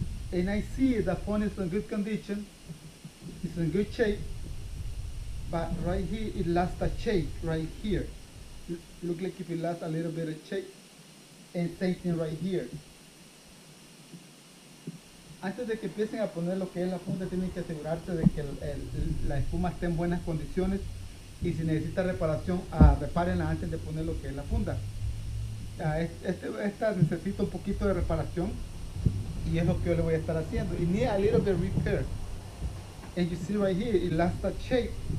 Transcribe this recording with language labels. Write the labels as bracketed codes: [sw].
[en] And I see the phone is in good condition, it's in good shape, but right here it lost a shape, right here. Look like if it lost a little bit of shape. el safety right here. [es] Antes de que empiecen a poner lo que es la funda, tienen que asegurarse de que la espuma esté en buenas condiciones, y si necesita reparación, repárenla antes de poner lo que es la funda. Esta necesita un poquito de reparación y es lo que yo le voy a estar haciendo. [en] It needs a little bit of repair. And you see right here, it lost the shape.